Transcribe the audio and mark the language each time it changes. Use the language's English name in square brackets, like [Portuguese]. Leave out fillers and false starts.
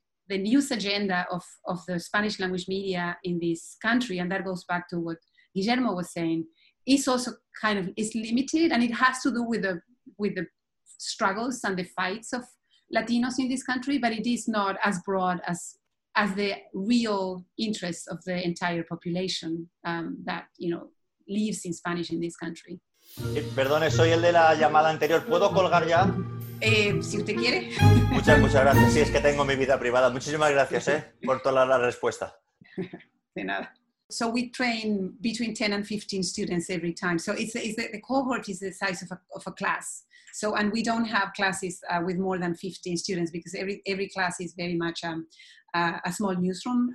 [English] news agenda of the Spanish language media in this country, and that goes back to what Guillermo was saying, is also kind of, is limited, and it has to do with the struggles and the fights of Latinos in this country, but it is not as broad as the real interests of the entire population that, you know, lives in Spanish in this country. [Spanish] Perdone, soy el de la llamada anterior. ¿Puedo colgar ya? Si usted quiere. Muchas gracias. Sí, es que tengo mi vida privada. Muchísimas gracias por toda la respuesta. De nada. [English] So we train between 10 and 15 students every time. So the cohort is the size of a class. So, and we don't have classes with more than 15 students, because every class is very much a small newsroom.